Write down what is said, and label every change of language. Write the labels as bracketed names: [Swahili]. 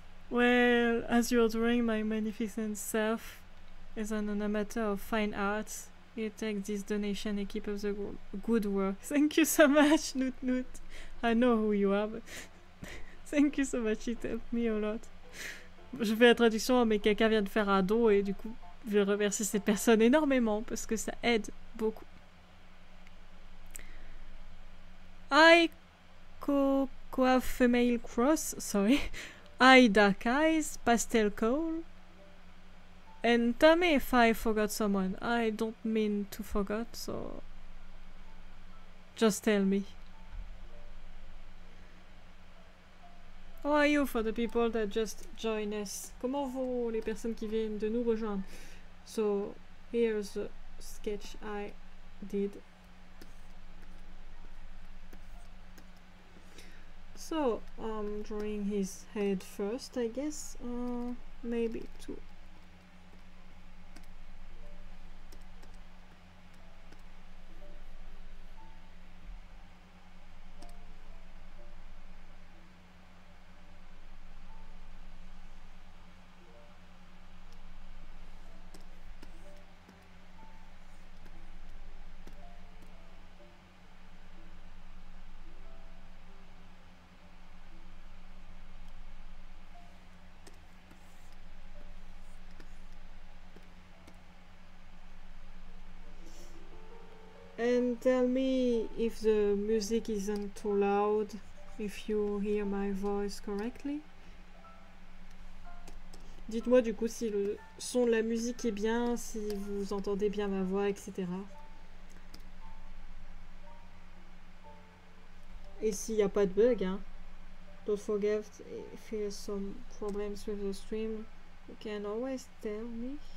[English] Well, as you're drawing my magnificent self, as an amateur of fine arts, you take this donation and keep up the good work. Thank you so much, Noot Noot. I know who you are, but thank you so much, it helped me a lot. [French] Je fais la traduction, mais quelqu'un vient de faire un don et du coup, je vais remercier cette personne énormément parce que ça aide beaucoup. Aïe! Co quoi Female Cross, sorry. [English] I Dark Eyes, Pastel Cole. And tell me if I forgot someone. I don't mean to forget, so. Just tell me. How are you for the people that just join us? [French] Comment vont les personnes qui viennent de nous rejoindre? [English] So, here's a sketch I did. So, I'm drawing his head first, I guess. Maybe two. And tell me if the music isn't too loud, if you hear my voice correctly. [French] Dites-moi du coup si le son de la musique est bien, si vous entendez bien ma voix, etc. Et s'il n'y a pas de bug, hein. [English] Don't forget if there's some problems with the stream, you can always tell me.